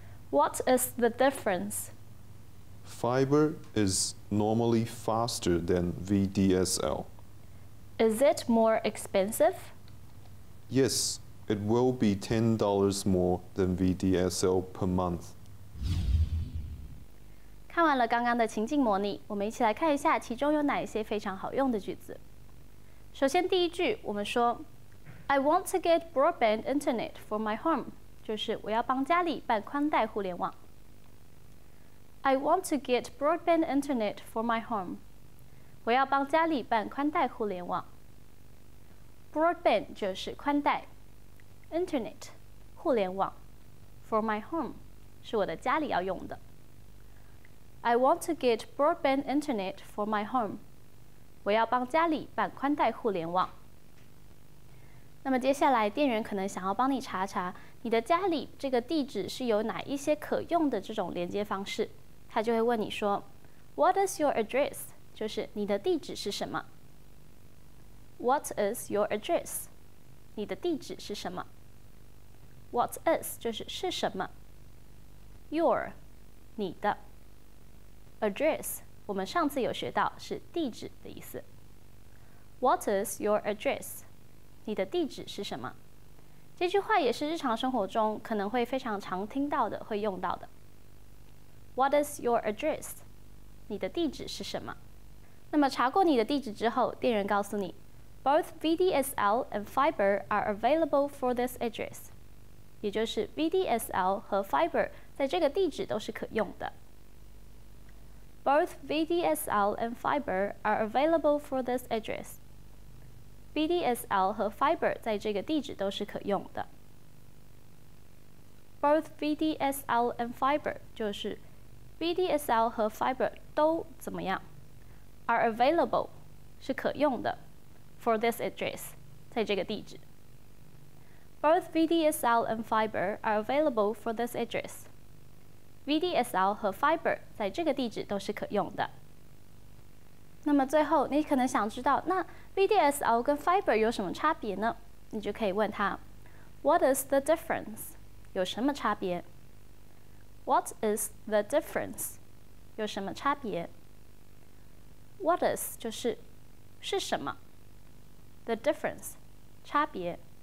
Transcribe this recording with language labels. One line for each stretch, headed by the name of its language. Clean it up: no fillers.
English: What is the difference? Fiber is normally faster than VDSL. Is it more expensive? Yes, it will be $10 more than VDSL per month.
Chinese: 看完了刚刚的情境模拟，我们一起来看一下其中有哪一些非常好用的句子。首先第一句，我们说
English: I want to get broadband internet for my home.
Chinese: 就是我要帮家里办宽带互联网。
English: I want to get broadband internet for my home.
Chinese: 我要帮家里办宽带互联网。 Broadband 就是宽带。Internet, 互联网。
English: For my home,
Chinese: 是我的家里要用的。
English: I want to get broadband internet for my home.
Chinese: 我要帮家里办宽带互联网。那么接下来店员可能想要帮你查查你的家里这个地址是有哪一些可用的这种连接方式，他就会问你说
English: What is your address?
Chinese: 就是你的地址是什么。
English: What is your address?
Chinese: 你的地址是什么。
English: What is
Chinese: 就是是什么。 Your 你的。 Address 我们上次有学到是地址的意思。
English: What is your address?
Chinese: 你的地址是什么？这句话也是日常生活中可能会非常常听到的，会用到的。
English: What is your address?
Chinese: 你的地址是什么？那么查过你的地址之后，店员告诉你
English: Both VDSL and fiber are available for this address.
Chinese: 也就是 VDSL 和 fiber 在这个地址都是可用的。
English: Both VDSL and fiber are available for this address.
Chinese: VDSL 和 Fiber 在这个地址都是可用的。
English: Both VDSL and Fiber
Chinese: 就是 VDSL 和 Fiber 都怎么样 ？
English: Are available
Chinese: 是可用的 ，
English: for this address
Chinese: 在这个地址。
English: Both VDSL and Fiber are available for this address.
Chinese: VDSL 和 Fiber 在这个地址都是可用的。那么最后你可能想知道，那 VDSL 跟 Fiber 有什么差别呢？你就可以问他
English: What is the difference?
Chinese: 有什么差别？
English: What is the difference?
Chinese: 有什么差别？
English: What is
Chinese: 就是是什么？
English: The difference
Chinese: 差别。